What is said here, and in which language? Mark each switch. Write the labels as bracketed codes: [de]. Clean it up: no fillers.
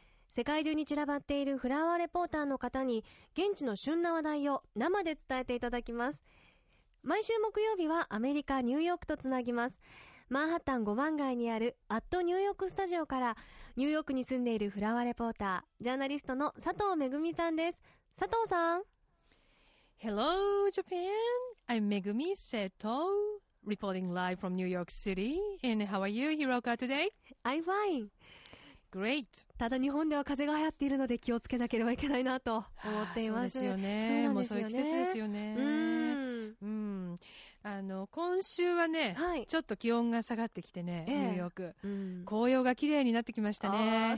[ja] 世界中に散らばっているフラワーレポーターの方に現地の旬な話題を生で伝えていただきます。毎週木曜日はアメリカニューヨークとつなぎます。マンハッタン5番街にあるアットニューヨークスタジオからニューヨークに住んでいるフラワーレポータージャーナリストの佐藤めぐみさんです。佐藤さん、 [en] Hello, Japan. I'm Megumi Seto, reporting live from New York City. And how are you, Hiroka, today? I'm fine. Great. [ja] ただ日本では風が流行っているので気をつけなければいけないなと思っています。そうですよね。そうなんですよね。もうそういう季節ですよね。今週はね、はい、ちょっと気温が下がってきてね、ニューヨーク、紅葉が綺麗になってきましたね。